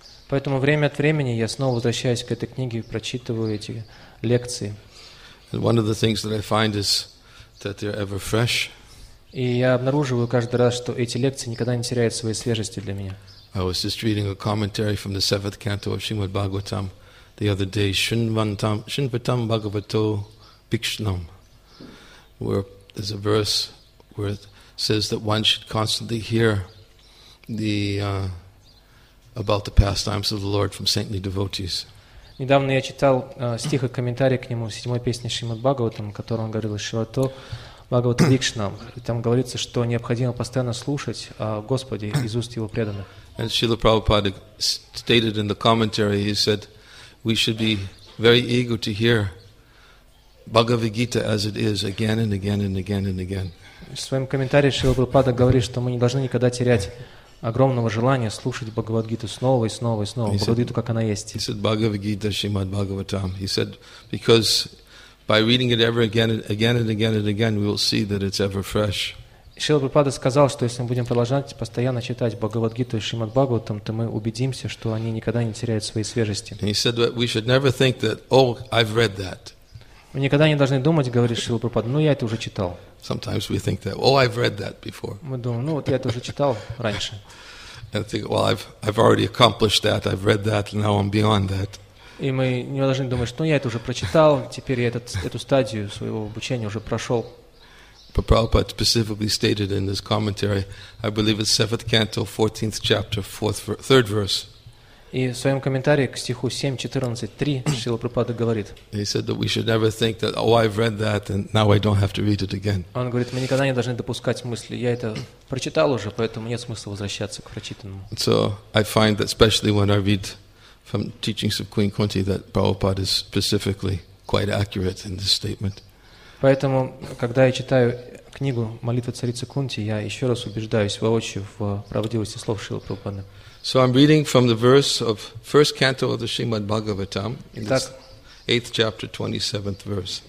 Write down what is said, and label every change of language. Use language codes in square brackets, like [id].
[ru] Поэтому время от времени я снова возвращаюсь к этой книге и прочитываю эти лекции. [en] And one of the things that I find is that they're ever fresh. [ru] И я обнаруживаю каждый раз, что эти лекции никогда не теряют своей свежести для меня. [en] I was just reading a commentary from the 7th canto of Srimad Bhagavatam the other day, Shinvatam Bhagavato Bhikshnam, where there's a verse where it says that one should constantly hear about the pastimes of the Lord from saintly devotees. [ru] Недавно я читал стих и комментарий к нему в седьмой песне Шримад Бхагаватам, в котором говорилось Шивато Бхагавато Бхикшнам. И там говорится, что необходимо постоянно слушать о Господе из уст Его преданных. [en] And Srila Prabhupada stated in the commentary, he said, we should be very eager to hear Bhagavad Gita as it is again and again and again and again. [ru] В своем комментарии Шрила Прабхупада говорит, что мы не должны никогда терять огромного желания слушать Бхагавад Гиту снова и снова и снова, Бхагавад Гиту, как она есть. [en] He said, Bhagavad Gita, Shrimad Bhagavatam. He said, because by reading it ever again and again and again and again, we will see that it's ever fresh. [ru] Шрила Прабхупада сказал, что если мы будем продолжать постоянно читать Бхагавад Гиту и Шримад Бхагаватам, то мы убедимся, что они никогда не теряют своей свежести. [en] And he said, we should never think that, oh, I've read that. [ru] Мы никогда не должны думать, говорит Шрила Прабхупада, ну я это уже читал. [en] Sometimes we think that, oh, I've read that before. [ru] Мы думаем, ну вот я это уже читал раньше. [en] And think, well, I've already accomplished that, I've read that, and now I'm beyond that. [ru] И мы не должны думать, что ну, я это уже прочитал, теперь я эту стадию своего обучения уже прошел. [en] But Prabhupada specifically stated in this commentary, I believe it's 7th canto, 14th chapter, 3rd verse. [ru] И в своем комментарии к стиху 7.14.3 Шрила Прабхупада говорит, [en] he said that we should never think that, oh, I've read that, and now I don't have to read it again. [ru] Он говорит, мы никогда не должны допускать мысли, я это прочитал уже, поэтому нет смысла возвращаться к прочитанному. [en] So I find that especially when I read from teachings of Queen Kunti that Prabhupada is specifically quite accurate in this statement. [ru] Поэтому, когда я читаю книгу «Молитва царицы Кунти», я еще раз убеждаюсь воочию в правдивости слов Шрилы Прабхупады. [en] So I'm reading from the verse of first canto of the Srimad Bhagavatam, in the 8th chapter, 27th verse.